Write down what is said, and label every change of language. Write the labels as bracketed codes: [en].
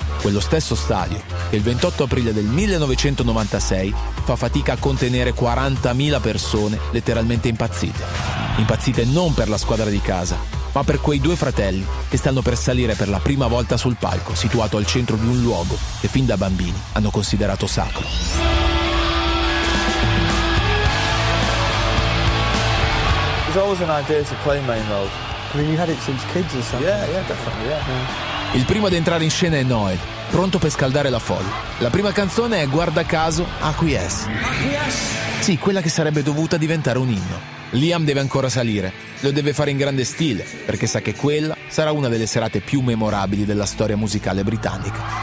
[it] Quello stesso stadio che il 28 aprile del 1996 fa fatica a contenere 40.000 persone letteralmente impazzite. Impazzite non per la squadra di casa, ma per quei due fratelli che stanno per salire per la prima volta sul palco situato al centro di un luogo che fin da bambini hanno considerato sacro. [en] It was always an idea to play Main Road. I mean, you had it since kids or something. Yeah, yeah, definitely, yeah. [it] Il primo ad entrare in scena è Noel, pronto per scaldare la folla. La prima canzone è, guarda caso, Acquiesce. Sì, quella che sarebbe dovuta diventare un inno. Liam deve ancora salire, lo deve fare in grande stile, perché sa che quella sarà una delle serate più memorabili della storia musicale britannica.